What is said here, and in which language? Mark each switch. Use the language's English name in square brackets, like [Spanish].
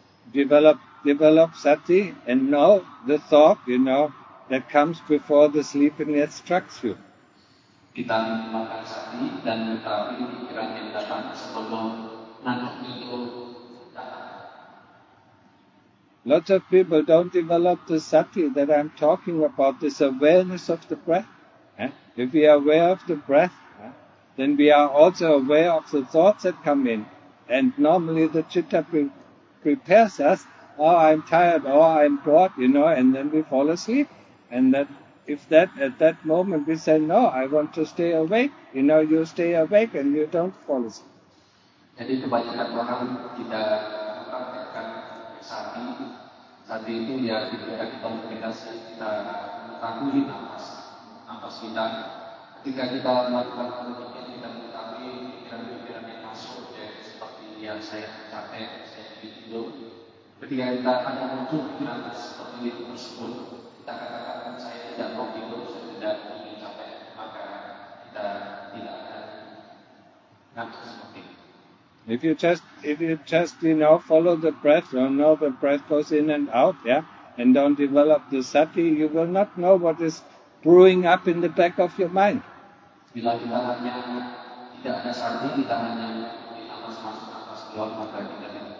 [English] Develop sati and know the thought, you know, that comes before the sleeping that struck you. [Indonesian] Kita makan sati dan mengetahui pikiran yang datang sebelum nanuk itu datang. [English] Lots of people don't develop the sati that I'm talking about, this awareness of the breath. If we are aware of the breath, then we are also aware of the thoughts that come in. And normally the citta prepares us, oh, I'm tired, oh, I'm bored, you know, and then we fall asleep. And that, if that, at that moment, we say, no, I want to stay awake, you know, you stay awake and you don't fall asleep. [Indonesian] Jadi kebanyakan orang tidak mempraktikkan sati. Sati itu ya, ketika kita meditasi, kita mengetahui nafas kita. Ketika kita melakukan pemikiran, kita mengetahui pikiran-pikiran yang masuk, ya, seperti yang saya capek, saya tidur. Ketika kita ada muncul pikiran seperti itu tersebut, kita katakan saya tidak mau tidur, saya tidak ingin capek, maka kita tidak akan ngantuk seperti itu. [English] If you just, you know, follow the breath, you know the breath goes in and out, yeah, and don't develop the sati, you will not know what is brewing up in the back of your mind. [Indonesian] Bila kita hanya tidak ada sati, kita hanya nafas masuk, nafas keluar, maka kita